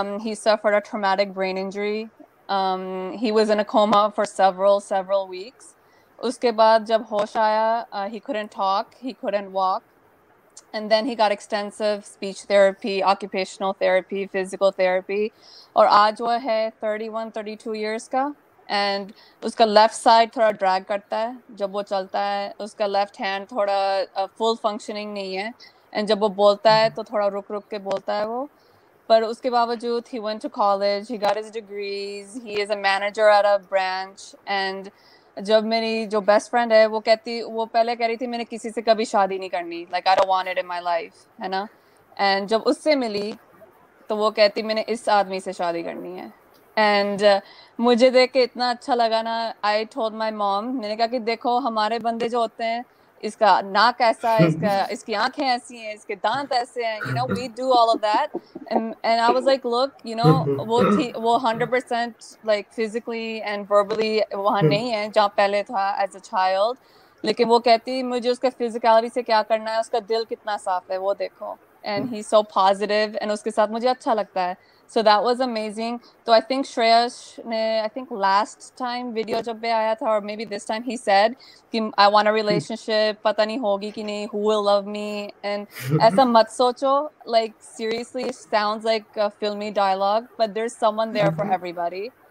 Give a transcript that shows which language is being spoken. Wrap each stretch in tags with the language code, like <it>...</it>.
<en>He suffered a traumatic brain injury. He was in a coma for several weeks.</en> <hi>Uske baad jab hosh aaya,</hi> <en>he couldn't talk, he couldn't walk, and then he got extensive speech therapy, occupational therapy, physical therapy.</en> <hi>Aur aaj wo hai 31-32 years ka. And उसका left side थोड़ा drag करता है जब वो चलता है. उसका left hand थोड़ा फुल फंक्शनिंग नहीं है एंड जब वो बोलता है तो थोड़ा रुक रुक के बोलता है वो. पर उसके बावजूद</hi> <en>He went to college, he got his degrees, he is a manager at a branch.</en> <hi>And जब मेरी जो बेस्ट फ्रेंड है वो कहती, वो पहले कह रही थी मैंने किसी से कभी शादी नहीं करनी,</hi> <en>like I don't want it in my life,</en> <hi>है ना. एंड जब उससे मिली तो वो कहती मैंने इस आदमी से शादी करनी है. एंड मुझे देख के इतना अच्छा लगा ना,</hi> <en>I told my mom,</en> <hi>मैंने कहा कि देखो हमारे बंदे जो होते हैं, इसका नाक ऐसा है, इसकी आंखें ऐसी हैं, इसके दांत ऐसे हैं,</hi> <en>You know, we do all of that. And I was like look, you know,</en> <hi>वो 100%</hi> <en>like physically and verbally</en> <hi>वहाँ नहीं है जहाँ पहले था</hi> <en>as a child,</en> <hi>लेकिन वो कहती मुझे उसके फिजिकलिटी से क्या करना है, उसका दिल कितना साफ है वो देखो.</hi> <en>and he so positive</en> <hi>and उसके साथ मुझे अच्छा लगता है.</hi> <en>So that was amazing. So I think Shreyas ne, I think last time</en> <hi>video jab pe aaya tha,</hi> <en>or maybe this time he said ki I want a relationship,</en> <hi>pata nahi hogi ki nahi,</hi> <en>who will love me. And</en> <hi>aisa mat socho,</hi> <en>like seriously, it sounds like a filmy dialogue, but there's someone there for everybody.</en>